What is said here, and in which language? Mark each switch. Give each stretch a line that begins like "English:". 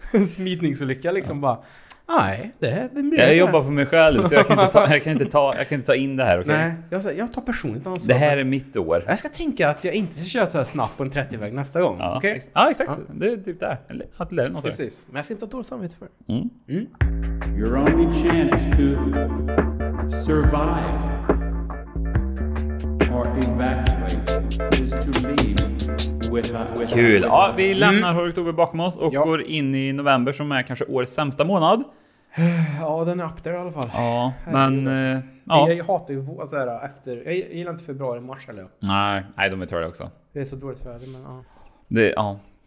Swedish: En smitningsolycka liksom, ja. Bara... Nej, det blir jag jobbar på mig själv, så jag kan inte ta in det här, okay? Nej, jag tar personligt ansvar. Det här är mitt år. Jag ska tänka att jag inte ska köra så här snabbt på en 30-väg nästa gång. Ja, okay? exakt. Ja. Det är typ där. Att lära något. Precis. Men jag ska inte ha dåligt samvete för.
English: Your only chance to survive or evacuate is to leave.
Swedish: Kul. Ja, vi lämnar oktober bakom oss och går in i november, som är kanske årets sämsta månad. Ja, den är upp där i alla fall. Ja, men jag hatar ju så här, efter, jag gillar inte februari, mars eller. Nej, de är törre också. Det är så dåligt för det, men ja.